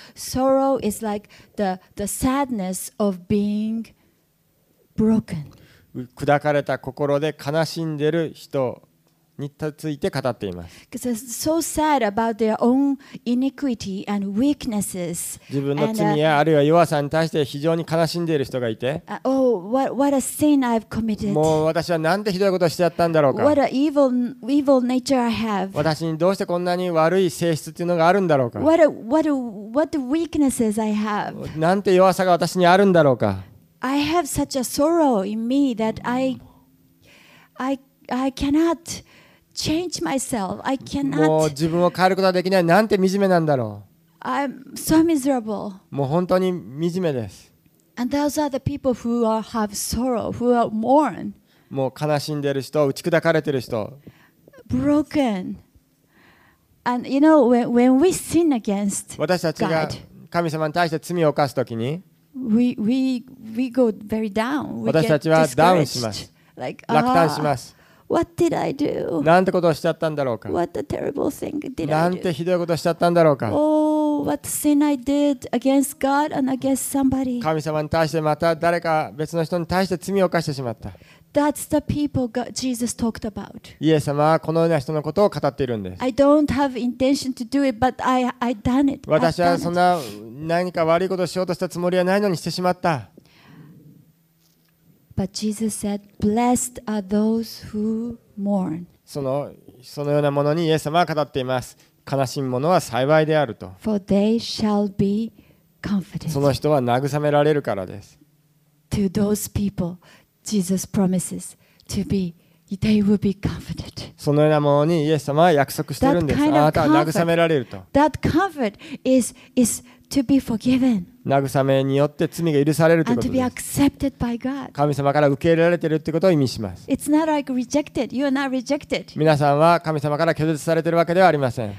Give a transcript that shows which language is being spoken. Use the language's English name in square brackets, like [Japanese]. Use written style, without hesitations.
[English] Sorrow is like the sadness of being broken. [Japanese] 砕かれた心で悲しんでる人について語っています。 [English] Because they're so sad about their own iniquity and weaknesses. [Japanese] 自分の罪やあるいは弱さに対して非常に悲しんでいる人がいて、 [English] what a sin I've committed. [Japanese] もう私はなんてひどいことをしてやったんだろうか。 [English] What a evil nature I have. [Japanese] 私にどうしてこんなに悪い性質というのがあるんだろうか。 [English] What weaknesses I have. [Japanese] なんて弱さが私にあるんだろうか。 [English] I have such a sorrow in me that I cannot change myself. I cannot. [Japanese] もう自分を変えることはできない。なんて惨めなんだろう。 [English] I'm so miserable. [Japanese] もう本当に惨めです。 [English] And those are the people who are, have sorrow, who are mourn. [Japanese] もう悲しんでる人、打ち砕かれてる人。 [English] Broken. And you know, when we sin against God, [Japanese] 私たちが神様に対して罪を犯すときに、 [English] we go very down. We get [Japanese] 私たちはダウンします。 [English] Like, [Japanese] 落胆します。 [English] What did I do? [Japanese] なんてことをしちゃったんだろうか。 [English] What a terrible thing did I do? [Japanese] なんてひどいことをしちゃったんだろうか。 [English] Oh, what sin I did against God and against somebody. [Japanese] 神様に対してまた誰か別の人に対して罪を犯してしまった。 [English] That's the people God, Jesus talked about. [Japanese] イエス様はこのような人のことを語っているんです。 [English] I don't have intention to do it, but I done it. [Japanese] 私はそんな何か悪いことをしようとしたつもりはないのにしてしまった。 [English] But Jesus said, "Blessed are those who mourn." [Japanese] そのようなものにイエス様は語っています。悲しむ者は幸いであると。 [English] For they shall be comforted. [Japanese] その人は慰められるからです。 [English] To those people, Jesus promises to be, they will be comforted. [Japanese] そのようなものにイエス様は約束しているんです。あなたは慰められると。 [English] That comfort is to be forgiven. [Japanese] 慰めによって罪が許されるということです。神様から受け入れられているということを意味します。皆さんは神様から拒絶されているわけではありません。